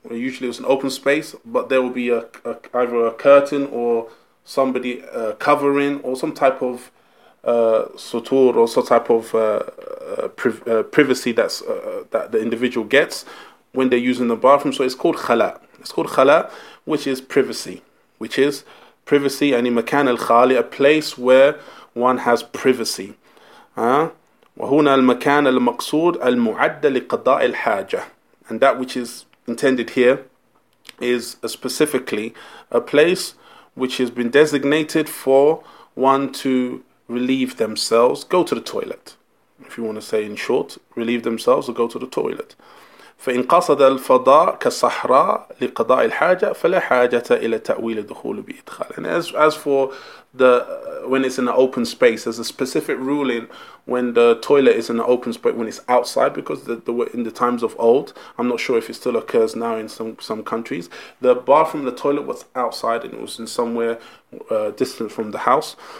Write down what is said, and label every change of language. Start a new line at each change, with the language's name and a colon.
English: Usually it was an open space, but there would be either a curtain or somebody covering, or some type of sutur, or some type of privacy that's that the individual gets when they're using the bathroom. So it's called khala. It's called khala, which is privacy. And in makan al-khali, a place where one has privacy.
Arabic: وهنا المكان المقصود المعد لقضاء الحاجة.
English: And that which is intended here is specifically a place which has been designated for one to relieve themselves, go to the toilet. If you want to say in short, relieve themselves or go to the toilet.
Arabic: فإن قصد الفضاء كالصحراء لقضاء الحاجة فلا حاجة إلى تأويل الدخول بإدخال.
English: And as for the when it's in an open space, there's a specific ruling when the toilet is in an open space when it's outside, because in the times of old, I'm not sure if it still occurs now in some countries, the bathroom, the toilet was outside and it was in somewhere distant from the house.